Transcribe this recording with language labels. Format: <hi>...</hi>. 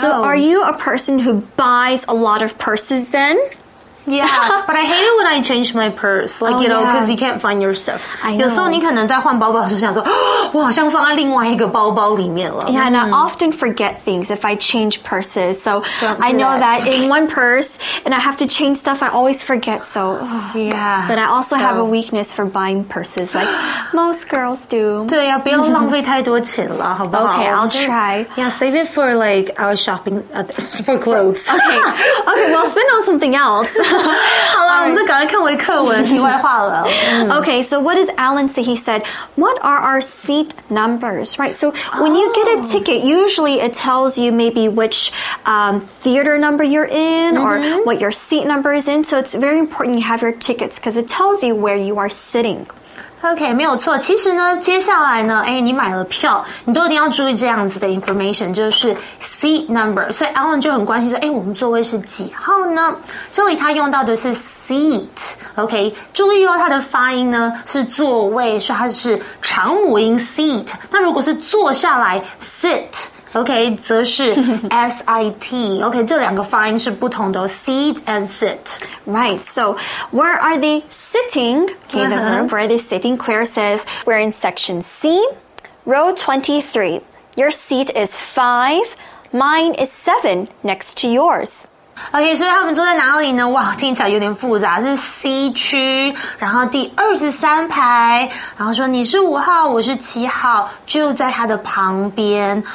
<en>So are you a person who buys a lot of purses then? Yeah, but I hate it when I change my purse. Like, you know, because you can't find your stuff. I know.</en> <zh>有时候你可能在换包包的时候想说、哦、我好像放在另外一个包包里面了。</zh> <en>Yeah, and、mm-hmm. I often forget things if I change purses. So I know that. that in one purse and I have to change stuff, I always forget. So, yeah. But I also have a weakness for buying purses like most girls do.</en> <zh>对呀、啊、不要浪费太多钱了好不好</zh> <en>Okay, I'll try. Yeah, save it for like our shopping,、for clothes. Okay, well, spend on something else.</en> <zh>好了，我们就赶快看回课文，题外话了。</zh> <en>Okay, so what does Alan say? He said, what are our seat numbers? Right, so when you get a ticket, usually it tells you maybe which theater number you're in or what your seat number is in. So it's very important you have your tickets because it tells you where you are sitting.</en> <zh>OK, 没有错。其实呢接下来呢诶你买了票你都一定要注意这样子的 information, 就是 seat number. 所以 Alan 就很关心说诶我们座位是几号呢这里他用到的是 seat, OK, 注意哦他的发音呢是座位所以他是长母音 seat. 那如果是坐下来 sit,OK, 则是 S-I-T. OK, 这两个发音是不同的</zh> <en>Seat and sit. Right, so where are they sitting? OK, the verb, where are they sitting? Claire says, we're in section C, row 23. Your seat is 5, mine is 7 next to yours.</en> <zh>OK, 所以他们坐在哪里呢？哇，听起来有点复杂，是 C 区，然后第23排，然后说你是5号，我是7号，就在他的旁边。</zh>